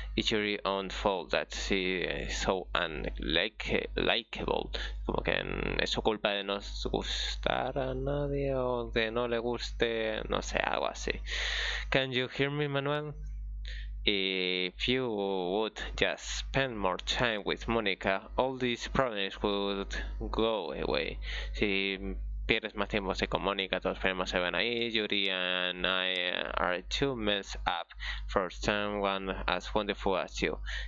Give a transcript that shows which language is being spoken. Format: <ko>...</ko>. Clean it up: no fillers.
<en>It's your own fault that she's so unlikable.</en> <es>Como que es su culpa de no gustar a nadie o de no le guste, no sé, algo así.</es> <en>Can you hear me, Manuel? If you would just spend more time with Monica, all these problems would go away.</en> <es>Si pierdes más tiempo así con Mónica, todos los problemas se van ahí.</es> <en>Yuri and I are too messed up for someone as wonderful as you.</en>